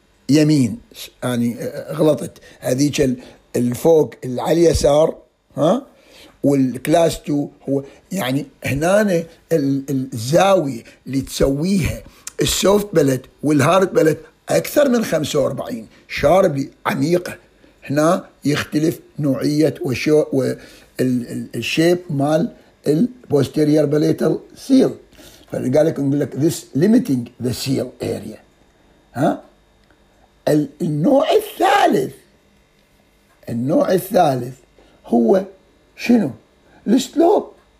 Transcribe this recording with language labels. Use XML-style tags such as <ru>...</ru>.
<ar>اليمين، يعني غلطت، هذيك الفوق اليسار ها، والكلاس 2 هو يعني هنا الزاوية اللي تسويها السوفت باليت والهارد باليت أكثر من 45 شاربلي عميقة، هنا يختلف نوعية والشيب مال البوستيريور باليتال سيل. فقال لك نقول لك</ar> <en>this limiting the seal area.</en> <ar>ها النوع الثالث، النوع الثالث هو شنو؟ السلوب.</ar>